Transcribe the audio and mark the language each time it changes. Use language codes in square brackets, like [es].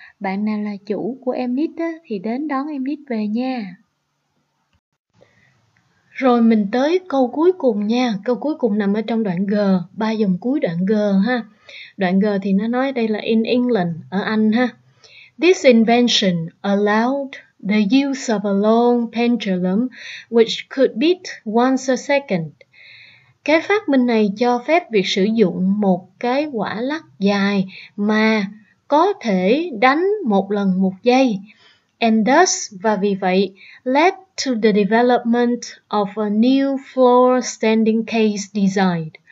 [vi] Bạn nào là chủ của em nít á, thì đến đón em nít về nha. Rồi mình tới câu cuối cùng nha. Câu cuối cùng nằm ở trong đoạn G, ba dòng cuối đoạn G ha. Đoạn G thì nó nói đây là [en] in England, [vi] ở Anh ha. [en] This invention allowed the use of a long pendulum which could beat once a second. [vi] Cái phát minh này cho phép việc sử dụng một cái quả lắc dài mà có thể đánh một lần một giây. [en] And thus, [vi] và vì vậy, [en] led to the development of a new floor standing case design.